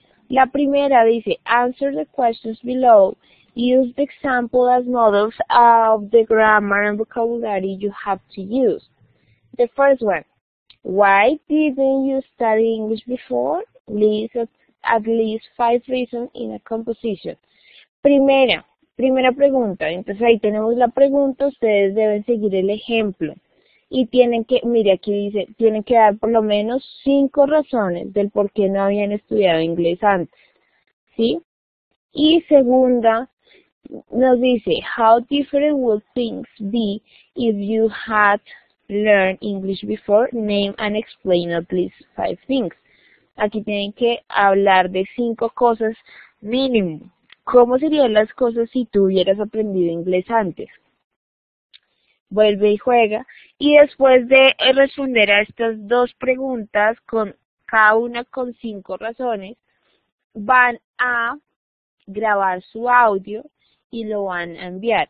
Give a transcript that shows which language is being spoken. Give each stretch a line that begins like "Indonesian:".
Spanish: La primera dice,
English: answer the questions below. Use the example as models of the grammar and vocabulary you have to use. The first one, why didn't you study English before? List at least five reasons in a composition.
Spanish: Primera pregunta. Entonces ahí tenemos la pregunta. Ustedes deben seguir el ejemplo. Y tienen que, mire, aquí dice, tienen que dar por lo menos cinco razones del por qué no habían estudiado inglés antes. ¿Sí? Y segunda, nos dice,
English: how different would things be if you had learned English before? Name and explain at least five things.
Spanish: Aquí tienen que hablar de cinco cosas mínimo. ¿Cómo serían las cosas si tú hubieras aprendido inglés antes? Vuelve y juega. Y después de responder a estas dos preguntas, con cada una con cinco razones, van a grabar su audio y lo van a enviar.